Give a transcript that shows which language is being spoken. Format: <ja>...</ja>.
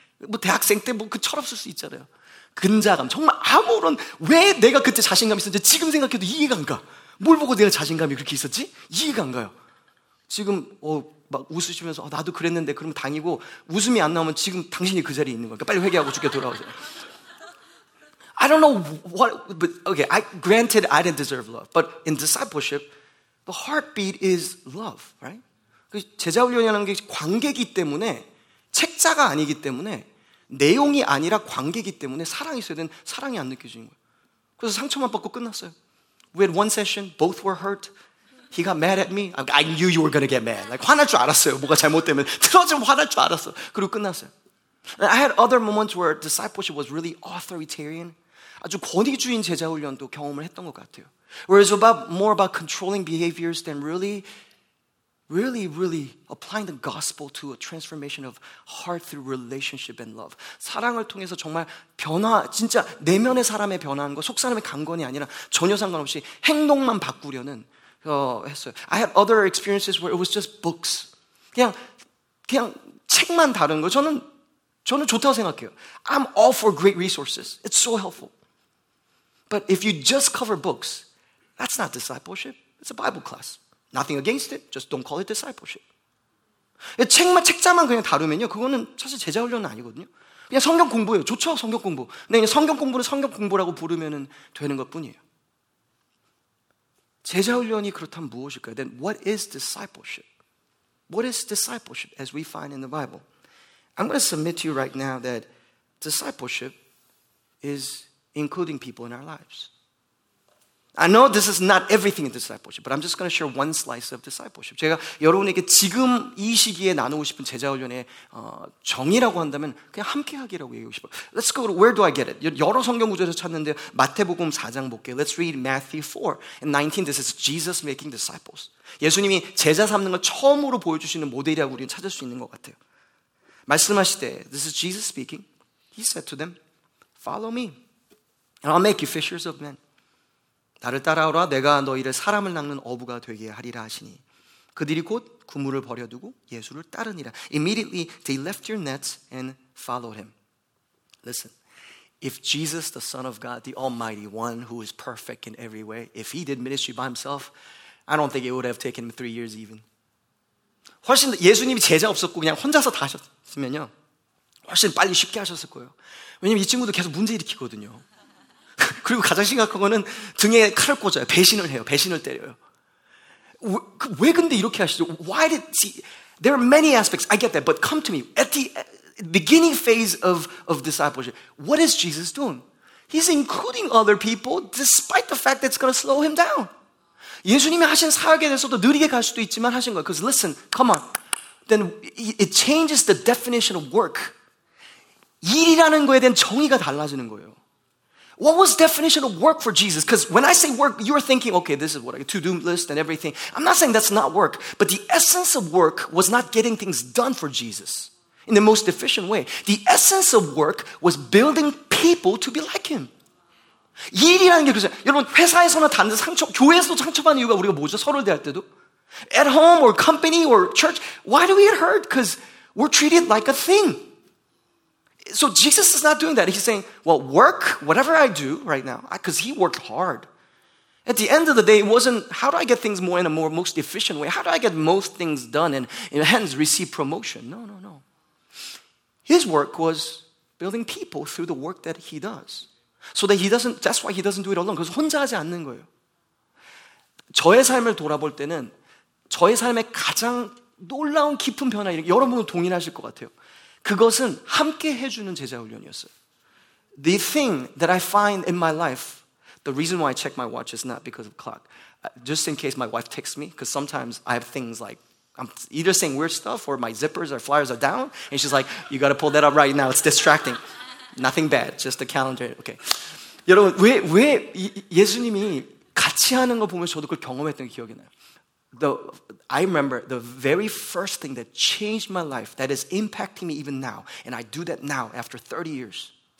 <ko>뭐 대학생 때 뭐 그 철없을 수 있잖아요. 근자감. 정말 아무런 왜 내가 그때 자신감 있었는지 지금 생각해도 이해가 안 가. 뭘 보고 내가 자신감이 그렇게 있었지? 이해가 안 가요. 지금 막 웃으시면서 나도 그랬는데 그러면 당이고 웃음이 안 나오면 지금 당신이 그 자리에 있는 거니까 빨리 회개하고 죽게 돌아오세요.</ko> <en>I don't know what, but okay, granted I didn't deserve love. But in discipleship, the heartbeat is love, right?</en> <ko>제자훈련이라는 게 관계기 때문에 책자가 아니기 때문에 내용이 아니라 관계기 때문에 사랑이 있어야 되는 사랑이 안 느껴지는 거예요. 그래서 상처만 받고 끝났어요.</ko> <en>We had one session, both were hurt. He got mad at me. I knew you were going to get mad.</en> <ko>Like, 화날 줄 알았어요. 뭐가 잘못되면. 틀어지면 화날 줄 알았어. 그리고 끝났어요.</ko> <en>I had other moments where discipleship was really authoritarian.</en> <ko>아주 권위주의 제자훈련도 경험을 했던 것 같아요.</ko> <en>Where it's about more about controlling behaviors than really applying the gospel to a transformation of heart through relationship and love.</en> <ko>사랑을 통해서 정말 변화, 진짜 내면의 사람의 변화하는 거, 속사람의 강건이 아니라 전혀 상관없이 행동만 바꾸려는 했어요.</ko> <en>I had other experiences where it was just books.</en> <ko>그냥 책만 다루는 거. 저는 좋다고 생각해요.</ko> <en>I'm all for great resources. It's so helpful. But if you just cover books, that's not discipleship. It's a Bible class. Nothing against it. Just don't call it discipleship.</en> <ko>책자만 그냥 다루면요. 그거는 사실 제자훈련은 아니거든요. 그냥 성경 공부예요. 좋죠, 성경 공부. 근데 그냥 성경 공부는 성경 공부라고 부르면 되는 것뿐이에요. 제자훈련이 그렇다면 무엇일까요?</ko> <en>Then what is discipleship? What is discipleship as we find in the Bible? I'm going to submit to you right now that discipleship is including people in our lives. I know this is not everything in discipleship, but I'm just going to share one slice of discipleship.</en> <ko>제가 여러분에게 지금 이 시기에 나누고 싶은 제자훈련의 정의라고 한다면 그냥 함께하기라고 얘기하고 싶어요.</ko> <en>Let's go to where do I get it?</en> <ko>여러 성경 구절에서 찾는데 마태복음 4장 볼게요.</ko> <en>Let's read Matthew 4 and 19. This is Jesus making disciples.</en> <ko>예수님이 제자 삼는 걸 처음으로 보여주시는 모델이라고 우리는 찾을 수 있는 것 같아요. 말씀하실 때,</ko> <en>this is Jesus speaking. He said to them, follow me and I'll make you fishers of men.</en> <ko>나를 따라오라 내가 너희를 사람을 낚는 어부가 되게 하리라 하시니 그들이 곧 그물을 버려두고 예수를 따르니라.</ko> <en>Immediately they left their nets and followed him. Listen, if Jesus, the Son of God, the Almighty One, who is perfect in every way, if he did ministry by himself, I don't think it would have taken him 3 years even.</en> <ko>훨씬 예수님이 제자 없었고 그냥 혼자서 다 하셨으면요. 훨씬 빨리 쉽게 하셨을 거예요. 왜냐면 이 친구도 계속 문제 일으키거든요. 그리고 가장 심각한 거는 등에 칼을 꽂아요. 배신을 해요. 배신을 때려요. 왜 근데 이렇게 하시죠?</ko> <en>Why did he? There are many aspects. I get that. But come to me. At the beginning phase of discipleship, what is Jesus doing? He's including other people despite the fact that it's going to slow him down.</en> <ko>예수님이 하신 사역에 대해서도 느리게 갈 수도 있지만 하신 거예요.</ko> <en>Because listen, come on. Then it changes the definition of work.</en> <ko>일이라는 거에 대한 정의가 달라지는 거예요.</ko> <en>What was the definition of work for Jesus? Because when I say work, you're thinking, okay, this is what I get, to-do list and everything. I'm not saying that's not work. But the essence of work was not getting things done for Jesus in the most efficient way. The essence of work was building people to be like him.</en> <ko>일이라는 게 그렇죠. 여러분, 회사에서나 다른데 상처, 교회에서도 상처받는 이유가 우리가 뭐죠? 서로를 대할 때도?</ko> <en>At home or company or church, why do we get hurt? Because we're treated like a thing. So Jesus is not doing that. He's saying, well, work, whatever I do right now, because he worked hard. At the end of the day, it wasn't, how do I get things more in a more most efficient way? How do I get most things done and hence receive promotion? No, no, no. His work was building people through the work that he does. So that he doesn't, that's why he doesn't do it alone, because</en> <ko>혼자 하지 않는 거예요. 저의 삶을 돌아볼 때는 저의 삶의 가장 놀라운 깊은 변화, 여러분은 동일하실 것 같아요. 그것은 함께 해주는 제자훈련이었어요.</ko> <en>The thing that I find in my life, the reason why I check my watch is not because of clock. Just in case my wife texts me, because sometimes I have things like, I'm either saying weird stuff or my zippers or flyers are down, and she's like, you got to pull that up right now, it's distracting. Nothing bad, just the calendar. Okay.</en> <ko>여러분, 왜 예수님이 같이 하는 거 보면 저도 그걸 경험했던 게 기억이 나요.</ko> <en>I remember the very first thing that changed my life that is impacting me even now, and I do that now after 30 years.</en>